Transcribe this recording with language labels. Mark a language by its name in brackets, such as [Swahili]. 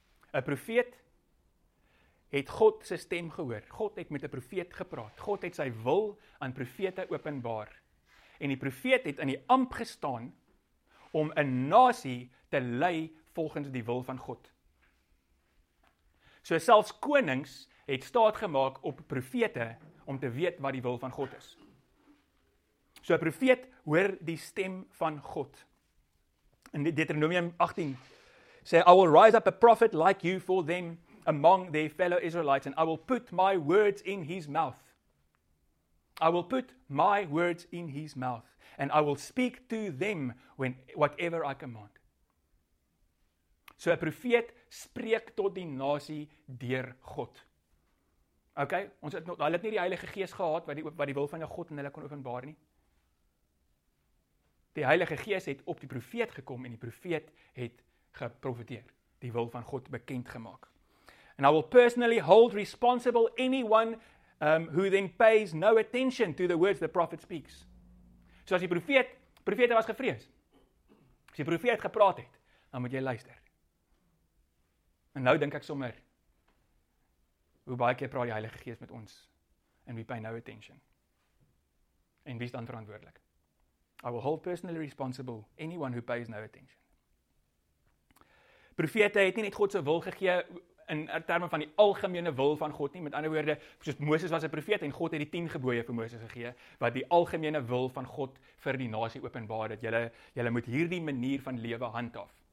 [Afrikaans] 'n Profeet het God se stem gehoor. God het met 'n profeet gepraat. God het sy wil aan profete openbaar. En die profeet het in die amp gestaan om 'n nasie te lei volgens die wil van God. So selfs konings het staat gemaak op profete om te weet wat die wil van God is. So 'n profeet hoor die stem van God. In Deuteronomium 18 sê, [English] "I will rise up a prophet like you for them among their fellow Israelites, and I will put my words in his mouth. I will put my words in his mouth, and I will speak to them when whatever I command." [Afrikaans] So 'n profeet spreek tot die nasie deur God. Okay, ons het nog, hulle het nie die Heilige Gees gehad wat die wil van jou God in hulle kon openbaar nie. Die Heilige Gees het op die profeet gekom en die profeet het geprofeteer, die wil van God bekend gemaak. [English] "And I will personally hold responsible anyone who then pays no attention to the words the prophet speaks." [Afrikaans] So as die profete was gevrees. As die profeet gepraat het, dan moet jy luister. En nou dink ek sommer, hoe baie keer praat die Heilige Gees met ons? [English] And we pay no attention. [Afrikaans] En wie is dan verantwoordelik? [English] "I will hold personally responsible anyone who pays no attention." [Afrikaans] profete het nie net God se wil gegee in terme van die algemene wil van God nie. Met ander woorde, soos Moses was 'n profeet en God het die 10 gebooie vir Moses gegee, wat die algemene wil van God vir die nasie openbaar, dat julle moet hierdie manier van lewe handhaaf.